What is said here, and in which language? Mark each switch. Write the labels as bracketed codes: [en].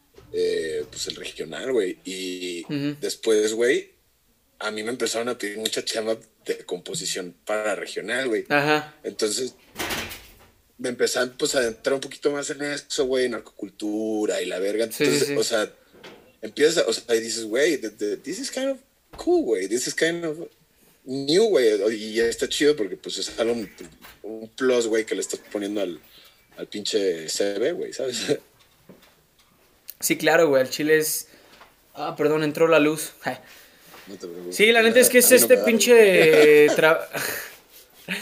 [es] Pues el regional, güey. Y después, güey, a mí me empezaron a pedir mucha chamba de composición para regional, güey. Entonces me empezaron, pues, a adentrar un poquito más en eso, güey, narcocultura y la verga. Entonces, o sea, y dices, güey, [en] this is kind of cool, güey, this is kind of new, güey. [es] Y está chido porque, pues, es algo, un plus, güey, que le estás poniendo al pinche CV, güey, ¿sabes? Sí, claro, güey, el chile es. Ah, perdón, entró la luz. No te Sí, la neta es que preocupes, es a mí no me este da luz, güey.